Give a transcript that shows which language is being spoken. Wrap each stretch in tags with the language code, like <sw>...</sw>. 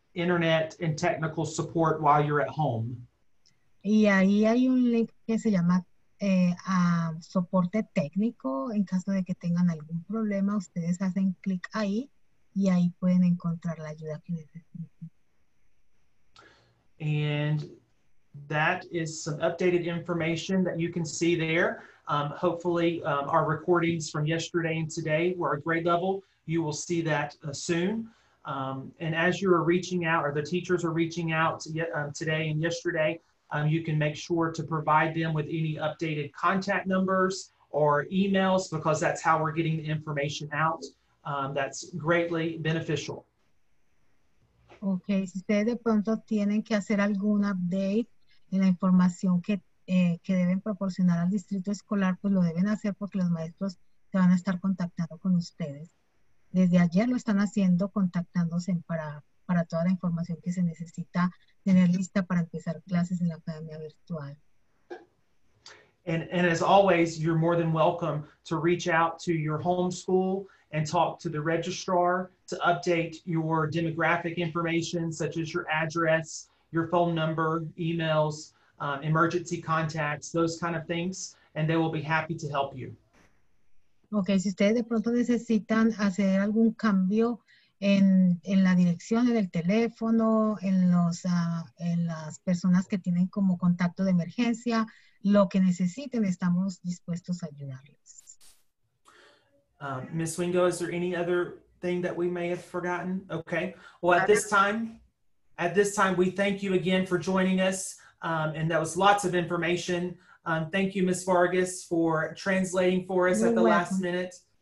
<en>internet and technical support while you're at home.</en> <es>Y ahí hay un link que se llama soporte técnico en caso de que tengan algún problema. Ustedes hacen clic ahí y ahí pueden encontrar la ayuda que necesitan.</es> <en>And that is some updated information that you can see there. Hopefully, our recordings from yesterday and today were a grade level. You will see that soon. And as you are reaching out, or the teachers are reaching out today and yesterday, you can make sure to provide them with any updated contact numbers or emails, because that's how we're getting the information out. That's greatly beneficial.</en> <es>Okay, si ustedes de pronto tienen que hacer algún update en la información que deben proporcionar al distrito escolar, pues lo deben hacer porque los maestros se van a estar contactando con ustedes. Desde ayer lo están haciendo, contactándose para toda la información que se necesita tener lista para empezar clases en la academia virtual.</es> <en>And as always, you're more than welcome to reach out to your home school and talk to the registrar to update your demographic information, such as your address, your phone number, emails, emergency contacts, those kind of things, and they will be happy to help you.</en> <es>Okay, si ustedes de pronto necesitan hacer algún cambio en la dirección, en el teléfono, en las personas que tienen como contacto de emergencia, lo que necesiten, estamos dispuestos a ayudarles.</es> <en>Ms. Wingo, is there any other thing that we may have forgotten? Okay, well, at this time, we thank you again for joining us, and that was lots of information. Thank you, Ms. Vargas, for translating for us at the last minute.</en>